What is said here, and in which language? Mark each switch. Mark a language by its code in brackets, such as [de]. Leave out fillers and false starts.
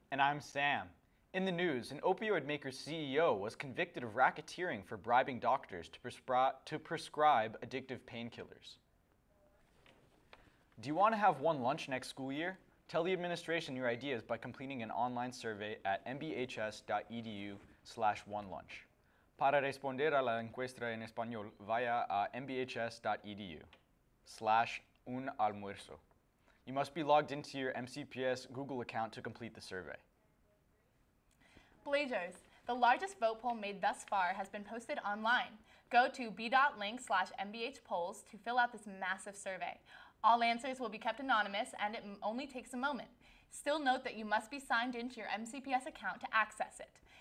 [en] And I'm Sam. In the news, an opioid maker CEO was convicted of racketeering for bribing doctors to prescribe addictive painkillers. Do you want to have one lunch next school year? Tell the administration your ideas by completing an online survey at mbhs.edu/onelunch. [es] Para responder a la encuesta en español, vaya a mbhs.edu/unalmuerzo. [en] You must be logged into your MCPS Google account to complete the survey. Blazers, the largest vote poll made thus far has been posted online. Go to b.link/mbhpolls to fill out this massive survey. All answers will be kept anonymous and it only takes a moment. Still note that you must be signed into your MCPS account to access it.